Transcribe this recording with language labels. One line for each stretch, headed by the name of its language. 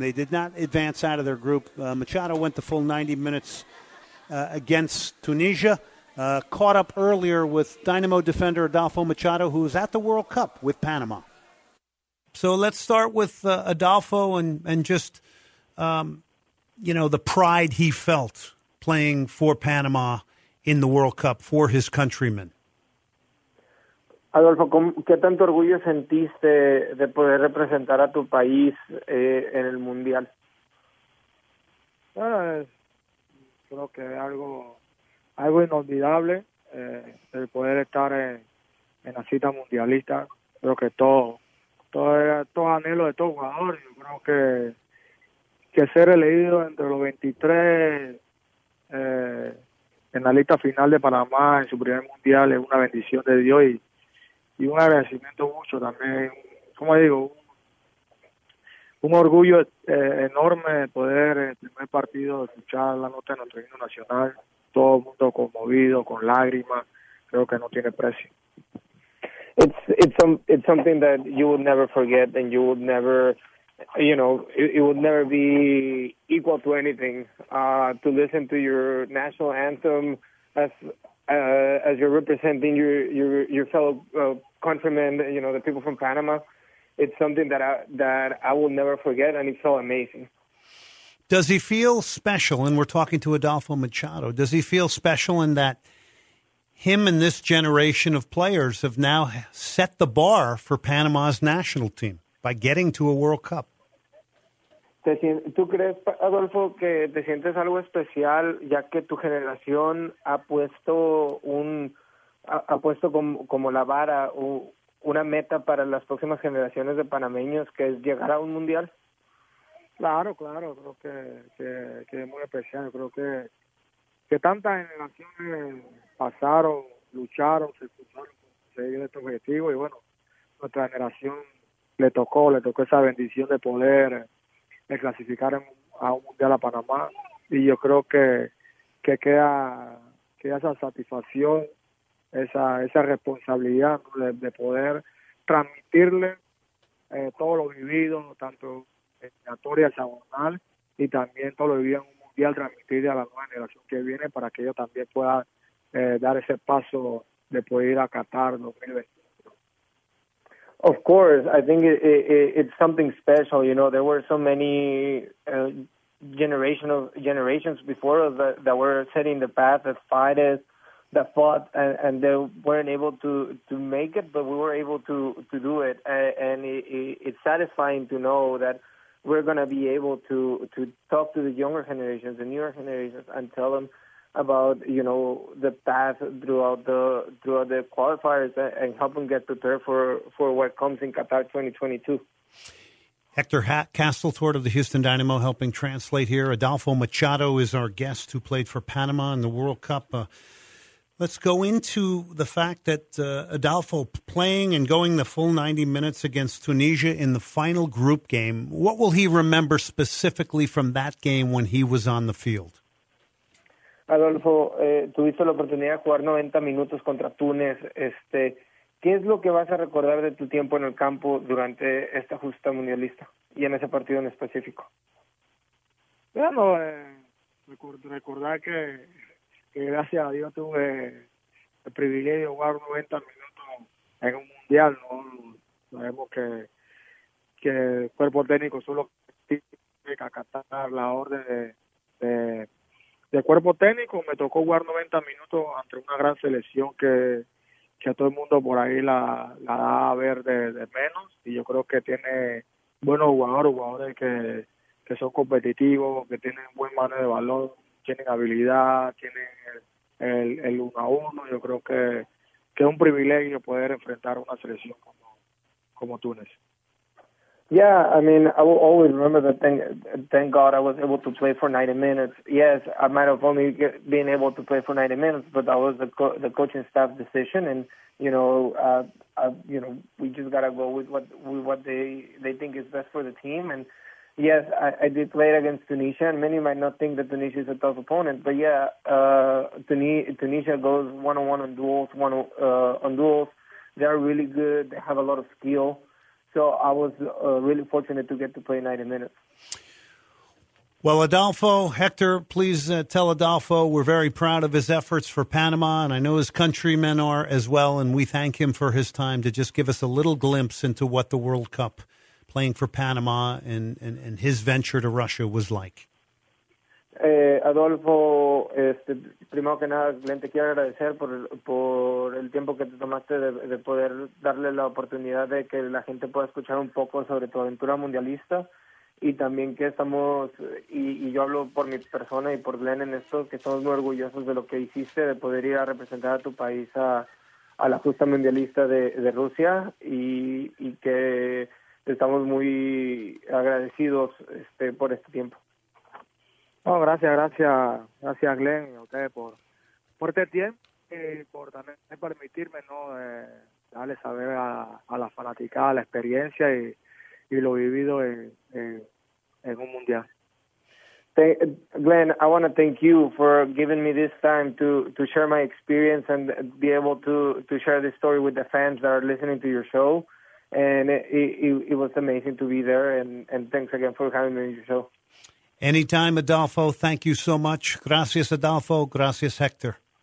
English: They did not advance out of their group. Machado went the full 90 minutes against Tunisia, caught up earlier with Dynamo defender Adolfo Machado, who was at the World Cup with Panama. So let's start with Adolfo and just, you know, the pride he felt playing for Panama in the World Cup for his countrymen.
Spanish: Adolfo, ¿qué tanto orgullo sentiste de poder representar a tu país en el Mundial? Creo que es algo inolvidable el poder estar en la cita mundialista. Creo que todo anhelo de todo jugador. Yo creo que ser elegido entre los 23 en la lista final de Panamá en su primer mundial es una bendición de Dios y un agradecimiento mucho también. Como digo, un orgullo enorme poder en el primer partido escuchar la nota de nuestro himno nacional. Todo el mundo conmovido, con lágrimas. Creo que no tiene precio.
English: It's something that you will never forget and you will never, you know, it will never be equal to anything. To listen to your national anthem as you're representing your fellow countrymen, you know, the people from Panama. It's something that I will never forget, and it's so amazing. Does he feel special? And we're talking to Adolfo Machado. Does he feel special in that him and this generation of players have now set the bar for Panama's national team by getting to a World Cup?
Spanish: ¿Tú crees, Adolfo, que te sientes algo especial ya que tu generación ha puesto como la vara o una meta para las próximas generaciones de panameños, que es llegar a un mundial? Claro, claro, creo que es muy especial. Creo que tantas generaciones pasaron, lucharon, se cruzaron por conseguir este objetivo, y bueno, nuestra generación le tocó esa bendición de poder clasificar a un Mundial a Panamá, y yo creo que queda esa satisfacción, esa responsabilidad, ¿no?, de poder transmitirle todo lo vivido, tanto eliminatoria, hexagonal, y también todo lo vivido en un Mundial, transmitirle a la nueva generación que viene, para que ellos también puedan dar ese paso de poder ir a Qatar 2021.
English: Of course, I think it's something special. You know, there were so many generations before us that were setting the path, that fighters, that fought, and they weren't able to make it, but we were able to do it. And it's satisfying to know that we're going to be able to talk to the younger generations, the newer generations, and tell them about, you know, the path throughout the qualifiers, and help them get prepared for what comes in Qatar 2022. Hector Castlethwart of the Houston Dynamo helping translate here. Adolfo Machado is our guest, who played for Panama in the World Cup. Let's go into the fact that Adolfo playing and going the full 90 minutes against Tunisia in the final group game. What will he remember specifically from that game when he was on the field?
Spanish: Adolfo, tuviste la oportunidad de jugar 90 minutos contra Túnez. ¿Qué es lo que vas a recordar de tu tiempo en el campo durante esta justa mundialista y en ese partido en específico? Bueno, recordar que gracias a Dios tuve el privilegio de jugar 90 minutos en un mundial, ¿no? Sabemos que el cuerpo técnico solo tiene que acatar la orden de cuerpo técnico. Me tocó jugar 90 minutos ante una gran selección que a todo el mundo por ahí la da a ver de menos, y yo creo que tiene buenos jugadores que son competitivos, que tienen buen mano de balón, tienen habilidad, tienen el 1-1. Yo creo que es un privilegio poder enfrentar una selección como Túnez.
English: Yeah, I mean, I will always remember that. Thank God I was able to play for 90 minutes. Yes, I might have only been able to play for 90 minutes, but that was the coaching staff decision. And, you know, we just got to go with what they think is best for the team. And, yes, I did play it against Tunisia, and many might not think that Tunisia is a tough opponent. But, yeah, Tunisia goes 1-on-1 on duels. They are really good. They have a lot of skill. So I was really fortunate to get to play 90 minutes. Well, Adolfo, Hector, please tell Adolfo we're very proud of his efforts for Panama, and I know his countrymen are as well, and we thank him for his time to just give us a little glimpse into what the World Cup playing for Panama and his venture to Russia was like.
Spanish: Adolfo, primero que nada, Glenn, te quiero agradecer por el tiempo que te tomaste de poder darle la oportunidad de que la gente pueda escuchar un poco sobre tu aventura mundialista, y también que estamos, y yo hablo por mi persona y por Glenn en esto, que estamos muy orgullosos de lo que hiciste, de poder ir a representar a tu país a la justa mundialista de Rusia, y que estamos muy agradecidos por este tiempo. No, gracias Glenn, y a ustedes por este tiempo y por también permitirme, ¿no?, darle saber a la fanaticada la experiencia y lo vivido en un mundial.
English: Glenn, I want to thank you for giving me this time to share my experience and be able to share this story with the fans that are listening to your show. And it was amazing to be there, and thanks again for having me on your show. Anytime, Adolfo. Thank you so much.
Spanish: Gracias, Adolfo. Gracias, Hector.